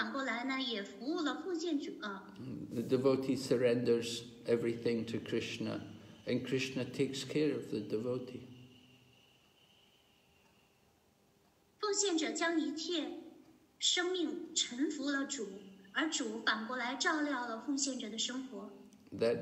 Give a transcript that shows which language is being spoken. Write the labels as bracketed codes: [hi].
[zh] 奉献者们，他们服务主，然后主反过来呢，也服务了奉献者。 [en] The devotee surrenders everything to Krishna, and Krishna takes care of the devotee. [zh] 奉献者将一切生命臣服了主，而主反过来照料了奉献者的生活。 [en] That